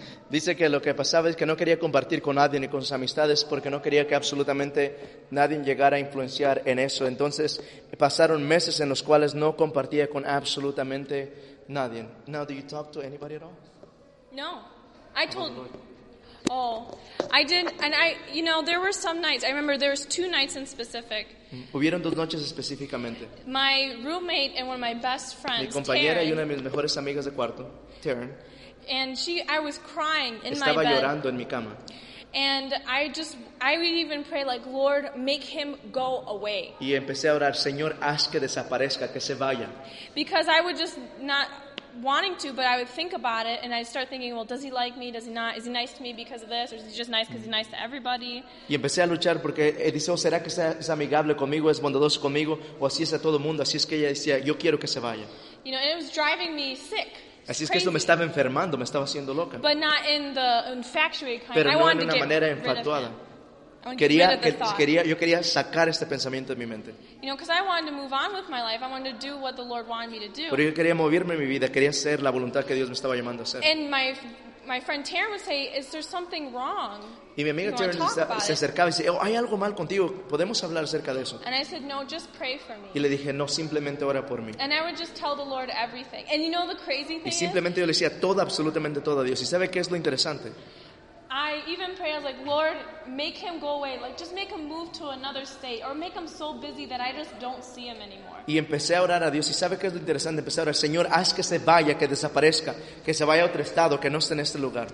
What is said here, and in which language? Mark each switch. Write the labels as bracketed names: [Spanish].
[Spanish] Dice que lo que pasaba es que no quería compartir con nadie ni con sus amistades porque no quería que absolutamente nadie llegara a influenciar en eso. Entonces pasaron meses en los cuales no compartía con absolutamente nadie. [English] Now, do you talk to anybody at all? No. I told... Oh, I did, and I, you know, there were some nights, I remember there was two nights in specific. [Spanish] Hubieron dos noches específicamente. [English] My roommate and one of my best friends, [Spanish] mi compañera Taryn, y una de mis mejores amigas de cuarto, Taryn, [English] and she, I was crying in [Spanish] estaba [English] my bed. [Spanish] Llorando en mi cama. [English] And I would even pray like, Lord, make him go away. [Spanish] Y empecé a orar, Señor, haz que desaparezca, que se vaya. [English] Because I would just not... wanting to, but I would think about it and I'd start thinking, well, does he like me? Does he not? Is he nice to me because of this? Or is he just nice because he's nice to everybody? [Spanish] Y empecé a luchar porque dice, oh, ¿será que es amigable conmigo? ¿Es bondadoso conmigo? ¿O así es a todo mundo? Así es que ella decía, yo quiero que se vaya. [English] You know, and it was driving me sick. [Spanish] Así es que eso me estaba enfermando, me estaba haciendo loca. [English] But not in the infatuated kind. [Spanish] Pero [English] I wanted [Spanish] no en una manera infatuada. Yo quería sacar este pensamiento de mi mente. [English] You know, because I wanted to move on with my life. I wanted to do what the Lord wanted me to do. [Spanish] Pero yo quería moverme en mi vida. Quería hacer la voluntad que Dios me estaba llamando a hacer. [English] And my friend Taryn would say, "Is there something wrong?" [Spanish] Y mi amiga Taryn se acercaba y decía, oh, "Hay algo mal contigo. Podemos hablar acerca de eso." [English] And I said, "No, just pray for me." [Spanish] Y le dije, "No, simplemente ora por mí." [English] And I would just tell the Lord everything. And you know the crazy thing. [Spanish] Y simplemente [English] is? [Spanish] Yo le decía todo, absolutamente todo a Dios. ¿Y sabe qué es lo interesante? [English] I even pray, I was like, Lord, make him go away. Like, just make him move to another state. Or make him so busy that I just don't see him anymore. [Spanish] Y empecé a orar a Dios. ¿Y sabe qué es lo interesante? Empecé a orar, Señor, haz que se vaya, que desaparezca. Que se vaya a otro estado, que no esté en este lugar.